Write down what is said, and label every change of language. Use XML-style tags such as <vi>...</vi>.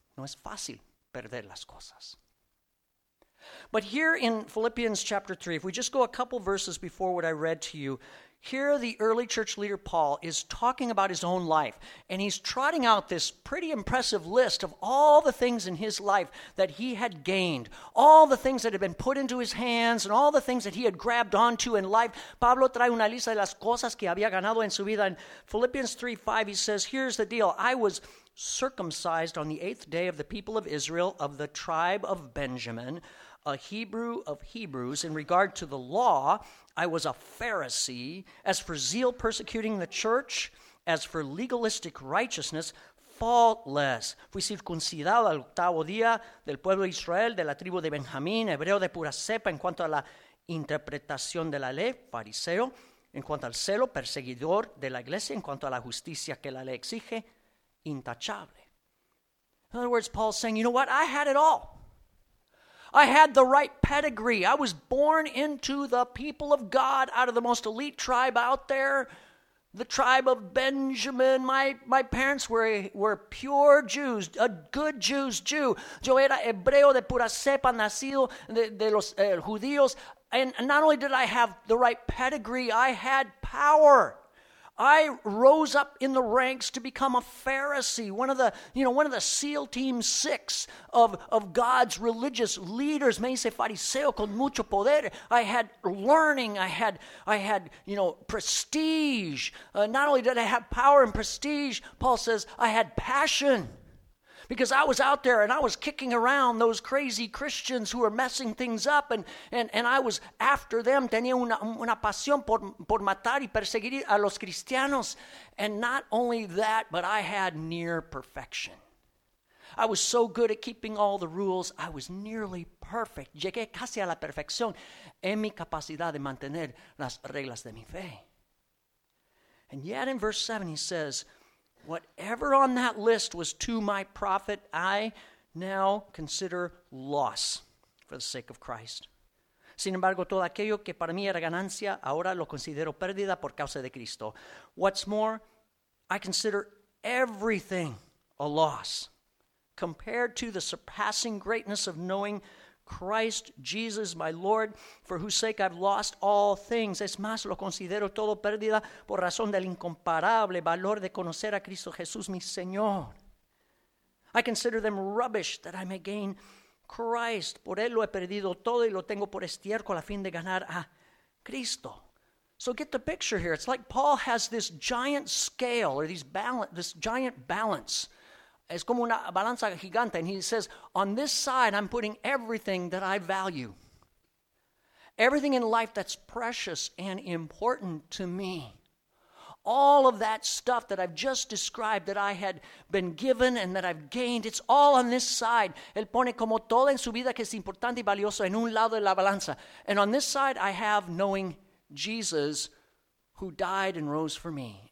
<es>No es fácil perder las cosas.</es> <en>But here in Philippians chapter 3, if we just go a couple verses before what I read to you, here the early church leader Paul is talking about his own life, and he's trotting out this pretty impressive list of all the things in his life that he had gained, all the things that had been put into his hands, and all the things that he had grabbed onto in life.</en> <es>Pablo trae una lista de las cosas que había ganado en su vida.</es> <en>In Philippians 3, 5, he says, here's the deal. I was circumcised on the eighth day of the people of Israel, of the tribe of Benjamin, a Hebrew of Hebrews. In regard to the law, I was a Pharisee. As for zeal persecuting the church, as for legalistic righteousness, faultless.</en> <es>Fui circuncidado al octavo día del pueblo de Israel, de la tribu de Benjamín, hebreo de pura cepa. En cuanto a la interpretación de la ley, fariseo. En cuanto al celo, perseguidor de la iglesia. En cuanto a la justicia que la ley exige, intachable.</es> <en>In other words, Paul's saying, you know what? I had it all. I had the right pedigree. I was born into the people of God out of the most elite tribe out there, the tribe of Benjamin. My parents were pure Jews, a good Jews, Jew.</en> <es>Yo era hebreo de pura cepa, nacido de los judíos.</es> <en>And not only did I have the right pedigree, I had power. I rose up in the ranks to become a Pharisee, one of the SEAL Team 6 of God's religious leaders.</en> <es>Me hice fariseo con mucho poder.</es> <en>I had learning. I had prestige. Not only did I have power and prestige, Paul says, I had passion. Because I was out there and I was kicking around those crazy Christians who were messing things up, and I was after them.</en> <es>Tenía una pasión por matar y perseguir a los cristianos.</es> <en>And not only that, but I had near perfection. I was so good at keeping all the rules, I was nearly perfect.</en> <es>Llegué casi a la perfección en mi capacidad de mantener las reglas de mi fe.</es> <en>And yet in verse 7 he says, whatever on that list was to my profit, I now consider loss for the sake of Christ.</en> <es>Sin embargo, todo aquello que para mí era ganancia, ahora lo considero pérdida por causa de Cristo.</es> <en>What's more, I consider everything a loss compared to the surpassing greatness of knowing Christ Jesus, my Lord, for whose sake I've lost all things.</en> <es>Es más, lo considero todo pérdida por razón del incomparable valor de conocer a Cristo Jesús, mi Señor.</es> <en>I consider them rubbish that I may gain Christ.</en> <es>Por él lo he perdido todo y lo tengo por estiércol a fin de ganar a Cristo.</es> <en>So get the picture here. It's like Paul has this giant scale or this giant balance.</en> <es>Es como una balanza gigante.</es> <en>And he says, on this side, I'm putting everything that I value. Everything in life that's precious and important to me. All of that stuff that I've just described that I had been given and that I've gained, it's all on this side.</en> <es>Él pone como todo en su vida que es importante y valioso en un lado de la balanza.</es> <en>And on this side, I have knowing Jesus who died and rose for me.</en>